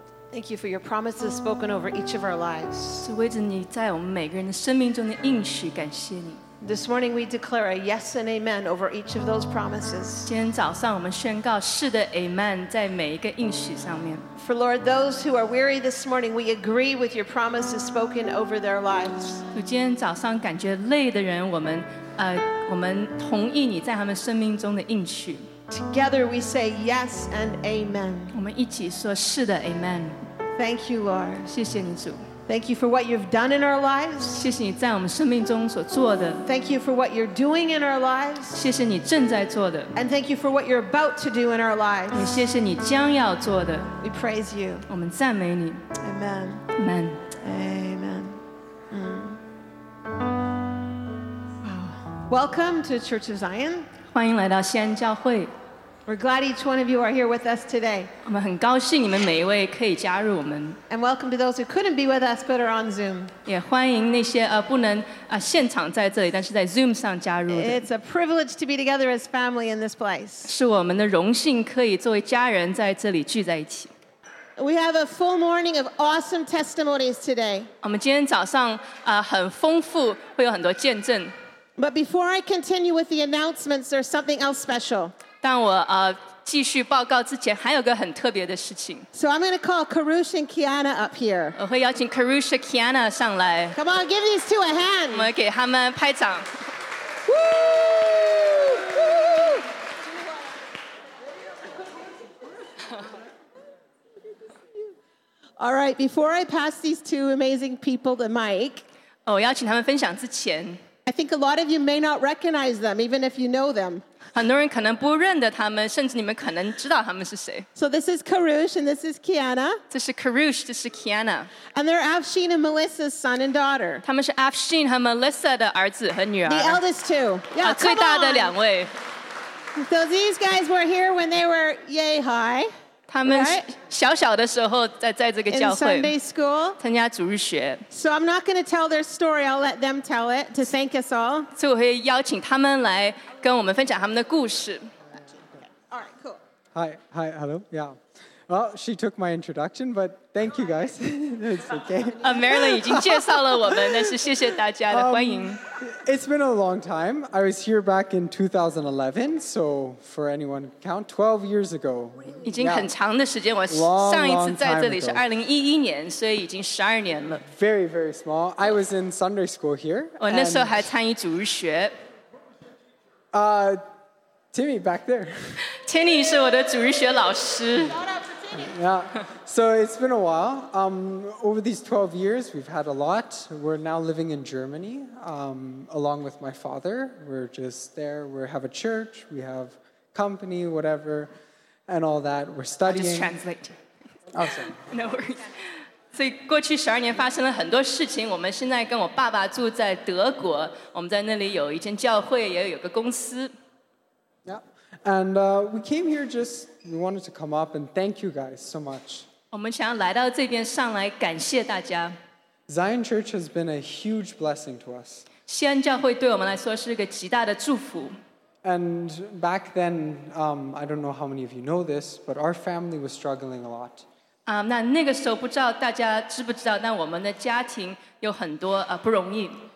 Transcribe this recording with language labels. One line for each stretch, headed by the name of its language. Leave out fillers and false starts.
English: Thank you for your promises spoken over each of our lives.
Chinese: 是为着你在我们每个人的生命中的应许，感谢你。
English: This morning we declare a yes and amen over each of those promises.
Chinese: 今天早上我们宣告是的 ，amen， 在每一个应许上面。
English: For Lord, those who are weary this morning, we agree with your promises spoken over their lives.
Chinese: 今天早上感觉累的人，我们同意你在他们生命中的应许。
English: Together we say yes and amen.
Chinese: 我们一起说是的 ，amen。
English: Thank you, Lord.
Chinese: 谢谢你主。
English: Thank you for what you've done in our lives.
Chinese: 谢谢你在我们生命中所做的。
English: Thank you for what you're doing in our lives.
Chinese: 谢谢你正在做的。
English: And thank you for what you're about to do in our lives.
Chinese: 也谢谢你将要做的。
English: We praise you.
Chinese: 我们赞美你。
English: Amen. Amen. Amen. Welcome to Church of Zion.
Chinese: 欢迎来到锡安教会。
English: We're glad each one of you are here with us today.
Chinese: 我们很高兴你们每一位可以加入我们。
English: And welcome to those who couldn't be with us but are on Zoom.
Chinese: 也欢迎那些不能现场在这里，但是在 Zoom 上加入的。
English: It's a privilege to be together as family in this place.
Chinese: 是我们的荣幸可以作为家人在这里聚在一起。
English: We have a full morning of awesome testimonies today.
Chinese: 我们今天早上很丰富，会有很多见证。
English: But before I continue with the announcements, there's something else special.
Chinese: 但我继续报告之前，还有个很特别的事情。
English: So I'm going to call Karush and Kiana up here.
Chinese: 我会邀请 Karush and Kiana 上来。
English: Come on, give these two a hand.
Chinese: 我们给他们拍掌。
English: All right, before I pass these two amazing people the mic,
Chinese: 我邀请他们分享之前。
English: I think a lot of you may not recognize them, even if you know them.
Chinese: 很多人可能不认得他们，甚至你们可能知道他们是谁。
English: So this is Karush and this is Kiana.
Chinese: 这是 Karush, 这是 Kiana.
English: And they're Afshin and Melissa's son and daughter.
Chinese: 他们是 Afshin 和 Melissa 的儿子和女儿。
English: The eldest two. Yeah,
Chinese: 最大的两位。
English: So these guys were here when they were yay high.
Chinese: 他们小小的时候在这个教会。
English: In Sunday school.
Chinese: 参加主日学。
English: So I'm not going to tell their story. I'll let them tell it to thank us all.
Chinese: 所以我会邀请他们来跟我们分享他们的故事。
English: All right, cool. Hi, hello, yeah. Well, she took my introduction, but thank you guys. It's okay.
Chinese: Marilyn 已经介绍了我们，但是谢谢大家的欢迎。
English: It's been a long time. I was here back in 2011, so for anyone to count, 12 years ago.
Chinese: 已经很长的时间，我上一次在这里是2011年，所以已经12年了。
English: Very, very small. I was in Sunday school here.
Chinese: 我那时候还参与主日学。
English: Timmy back there.
Chinese: Timmy 是我的主日学老师。
English: Yeah. So it's been a while. Over these 12 years, we've had a lot. We're now living in Germany, along with my father. We're just there. We have a church. We have company, whatever, and all that. We're studying. I'll just translate. Awesome. No worries.
Chinese: 所以过去十二年发生了很多事情。我们现在跟我爸爸住在德国，我们在那里有一间教会，也有个公司。
English: Yeah, and we came here just we wanted to come up and thank you guys so much.
Chinese: 我们想要来到这边上来感谢大家。
English: Zion Church has been a huge blessing to us.
Chinese: 锡安教会对我们来说是一个极大的祝福。
English: And back then, I don't know how many of you know this, but our family was struggling a lot.
Chinese: 那个时候不知道大家知不知道，但我们的家庭有很多不容易。